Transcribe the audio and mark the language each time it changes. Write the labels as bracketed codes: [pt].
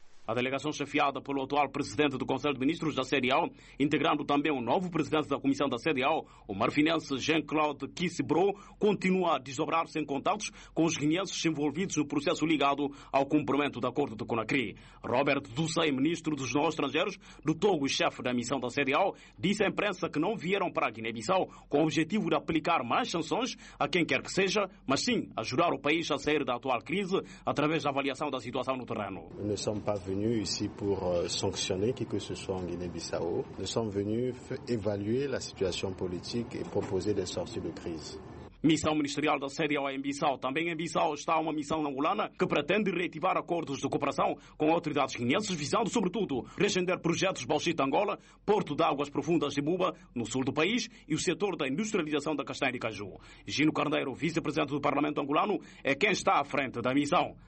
[pt] A delegação chefiada pelo atual presidente do Conselho de Ministros da CEDEAO, integrando também o novo presidente da comissão da CEDEAO, o marfinense Jean-Claude Kissebro, continua a desdobrar-se em contatos com os guineenses envolvidos no processo ligado ao cumprimento do acordo de Conakry. Robert Dussey, ministro dos Negócios Estrangeiros do Togo e chefe da missão da CEDEAO, disse à imprensa que não vieram para a Guiné-Bissau com o objetivo de aplicar mais sanções a quem quer que seja, mas sim ajudar o país a sair da atual crise através da avaliação da situação no terreno. [fr] Venus ici pour sanctionner qui que ce soit en Guinée-Bissau. Nous sommes venus évaluer la situation politique et proposer des sorties de crise. [pt] Missão ministerial da CEDEAO em Bissau. Também em Bissau está uma missão angolana que pretende reativar acordos de cooperação com autoridades guineenses, visando, sobretudo, reagender projetos Bauxita Angola, Porto de Águas Profundas de Buba, no sul do país, e o setor da industrialização da castanha de caju. Gino Carneiro, vice-presidente do Parlamento angolano, é quem está à frente da missão.